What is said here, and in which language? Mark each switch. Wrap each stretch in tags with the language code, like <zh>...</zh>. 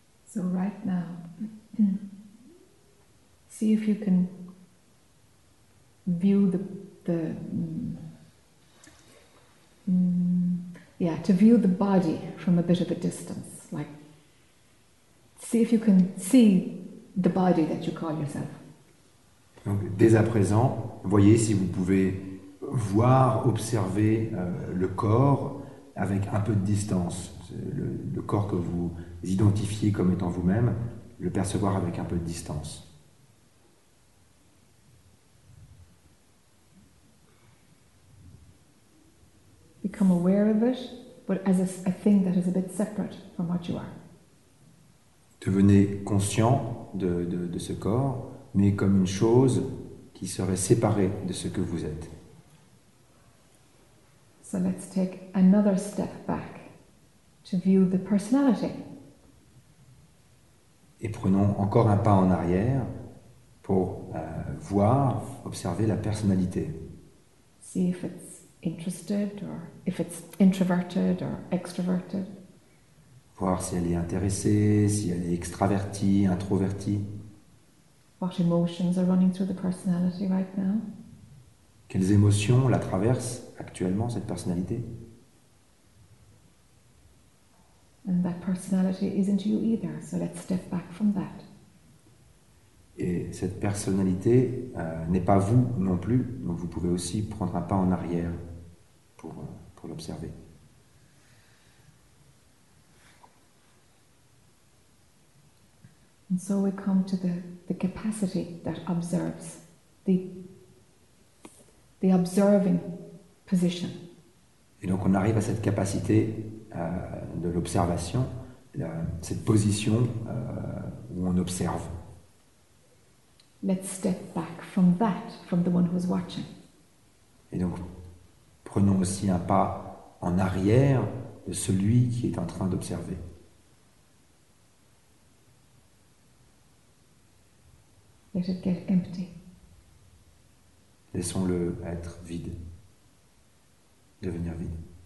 <en>So right now, see if you can view to view the body from a bit of a distance. Like, see if you can see the body that you call yourself.</en> <fr>Donc, dès à présent, voyez si vous pouvez voir, observer le corps avec un peu de distance. Le corps que vous identifiez comme étant vous-même, le percevoir avec un peu de distance.</fr> <en>Become aware of it, but as a thing that is a bit separate from what you are.</en> <fr>Devenez conscient de ce corps, mais comme une chose qui serait séparée de ce que vous êtes.</fr> <en>So let's take another step back. To view the personality.</en> <fr>Et prenons encore un pas en arrière pour voir, observer la personnalité.</fr> <en>See if it's interested or if it's introverted or extroverted.</en> <fr>Voir si elle est intéressée, si elle est extravertie, introvertie.</fr> <en>What emotions are running through the personality right now?</en> <fr>Quelles émotions la traversent actuellement, cette personnalité?</fr> <en>And that personality isn't you either, so let's step back from that.</en> <fr>Et cette personnalité n'est pas vous non plus, donc vous pouvez aussi prendre un pas en arrière pour l'observer.</fr> <en>And so we come to the capacity that observes, the observing position.</en> <fr>Et donc on arrive à cette capacité de l'observation, cette position où on observe.</fr> <en>Let's step back from that, from the one who's watching.</en> <fr>Et donc, prenons aussi un pas en arrière de celui qui est en train d'observer.</fr> <en>Let it get empty.</en> <fr>Laissons-le être vide, devenir vide.</fr>